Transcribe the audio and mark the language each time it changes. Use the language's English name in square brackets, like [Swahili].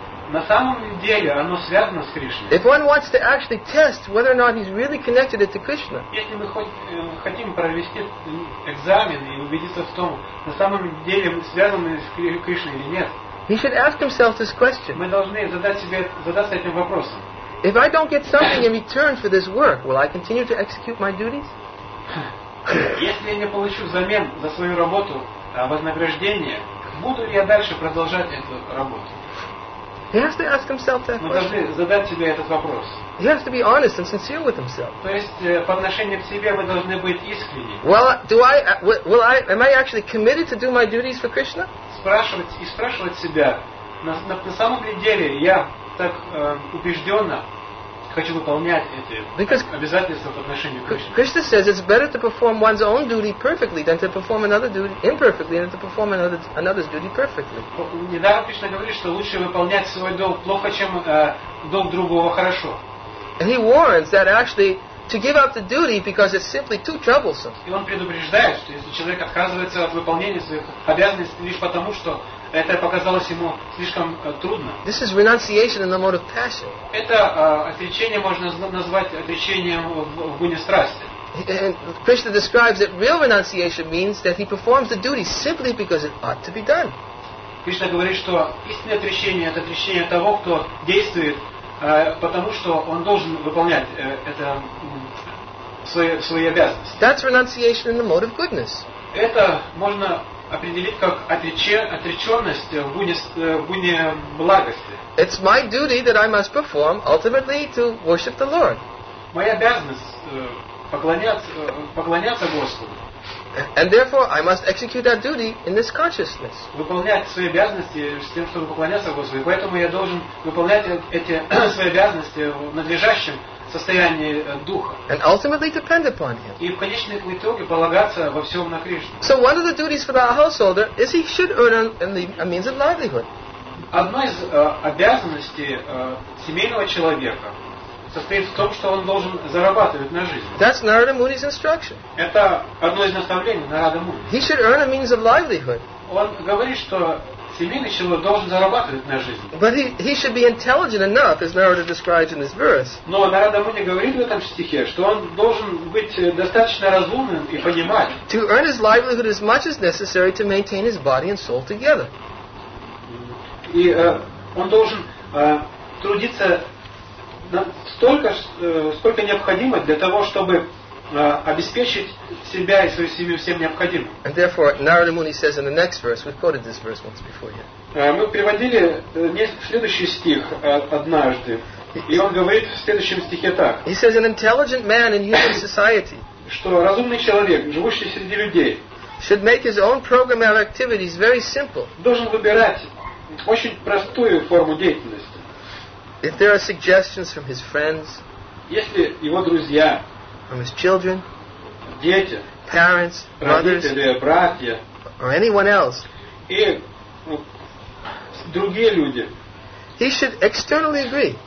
[Russian] На самом деле оно связано с Кришной. [English] If one wants to actually test whether or not he's really connected it to Krishna. [Russian] Если мы хотим провести экзамен и убедиться в том, на самом деле связаны с Кришной или нет. [English] He should ask himself this question. [Russian] Мы должны задаться этим вопросом. [English] If I don't get something in return for this work, will I continue to execute my duties? [Russian] Если я не получу взамен за свою работу вознаграждение, буду ли я дальше продолжать эту работу? [English] He has to ask himself that question. [Russian] Мы должны задать себе этот вопрос. [English] He has to be honest and sincere with himself. [Russian] То есть по отношению к себе мы должны быть искренни. [English] Well, am I actually committed to do my duties for Krishna? [Russian] Спрашивать себя, на самом ли деле я так убежденно хочу выполнять эти обязательства по отношению к Кришне. [English] Krishna says it's better to perform one's own duty perfectly than to perform another duty imperfectly, than to perform another's duty perfectly. [Russian] Недавно Кришна говорит, что лучше выполнять свой долг плохо, чем долг другого хорошо. [English] And he warns that actually to give up the duty because it's simply too troublesome. [Russian] И он предупреждает, что если человек отказывается от выполнения своих обязанностей лишь потому, что это показалось ему слишком трудно. [English] This is renunciation in the mode of passion. [Russian] Это отречение можно назвать отречением в гуне страсти. [English] And Krishna describes that real renunciation means that he performs the duty simply because it ought to be done. [Russian] Кришна говорит, что истинное отречение — это отречение того, кто действует, потому что он должен выполнять это свои обязанности. [English] That's renunciation in the mode of goodness. [Russian] Это можно определить как отреченность в гуне благости. [English] It's my duty that I must perform ultimately to worship the Lord. [Russian] Моя обязанность поклоняться Господу. [English] And therefore I must execute that duty in this consciousness. [Russian] Выполнять свои обязанности с тем, чтобы поклоняться Господу. И поэтому я должен выполнять эти свои обязанности в надлежащем состоянии духа. [English] And ultimately depend upon him. [Russian] И в конечном итоге полагаться во всем на Кришну. [English] So one of the duties for the householder is he should earn a means of livelihood. [Russian] Одна из обязанностей семейного человека состоит в том, что он должен зарабатывать на жизнь. [English] That's Narada Muni's instruction. [Russian] Это одно из наставлений Нарада Муни. [English] He should earn a means of livelihood. [Russian] Он говорит, что семейный человек должен зарабатывать на жизнь. [English] But he should be intelligent enough, as Narada describes in this verse. [Russian] Но Нарада Муни говорит в этом стихе, что он должен быть достаточно разумным и понимать. [English] To earn his livelihood as much as necessary to maintain his body and soul together. [Russian] И он должен трудиться столько необходимо для того, чтобы обеспечить себя и свою семью всем необходимым. [English] And therefore, Narada Muni says in the next verse, we've quoted this verse once before. Yeah. [Russian] Мы приводили следующий стих однажды, и он говорит в следующем стихе так. [English] He says, an intelligent man in human society, [Russian] что разумный человек, живущий среди людей, [English] should make his own program of activities very simple. [Russian] Должен выбирать очень простую форму деятельности. [English] If there are suggestions from his friends, [Russian] если его друзья, [English] from his children, [Russian] дети, [English] parents, [Russian] родители, [English] mothers, [Russian] братья, [English] or anyone else, [Russian] и другие люди, [English] he should externally agree.